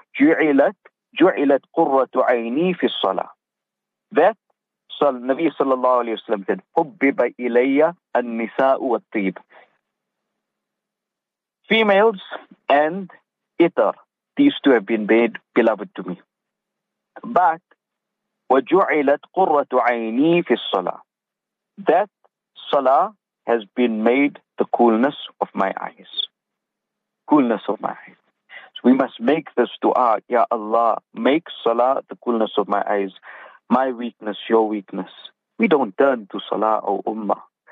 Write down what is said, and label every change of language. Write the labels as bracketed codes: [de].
[ar] Ju'ilat qurratu ayni fi salah. [en] That, Nabi sallallahu alayhi wa sallam said, [ar] Hubbiba ilayya an-nisa'u wa-t-tib. [en] Females and itar. These two have been made beloved to me. [ar] But, وَجُعِلَتْ قُرَّةُ عَيْنِي فِي الصَّلَاةِ. [en] That salah has been made the coolness of my eyes. Coolness of my eyes. So we must make this dua, Ya Allah, make salah the coolness of my eyes. My weakness, your weakness. We don't turn to salah, O Ummah.